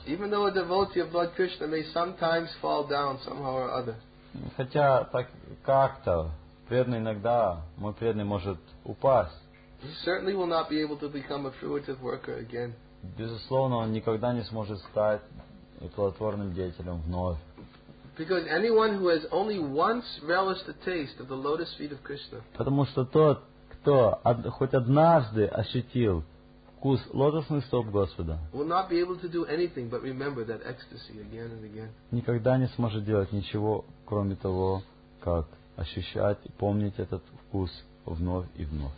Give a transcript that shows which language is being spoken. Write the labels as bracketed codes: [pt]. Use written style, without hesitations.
[en] even though a devotee of Lord Krishna may sometimes fall down somehow or other, [ru] хотя так как-то преданный иногда мой преданный может упасть, [en] he certainly will not be able to become a fruitive worker again. [ru] Безусловно, он никогда не сможет стать плодотворным деятелем вновь. [en] Because anyone who has only once relished the taste of the lotus feet of Krishna, [ru] потому что тот кто хоть однажды ощутил вкус лотосных стоп Господа, никогда не сможет делать ничего, кроме того, как ощущать и помнить этот вкус вновь и вновь.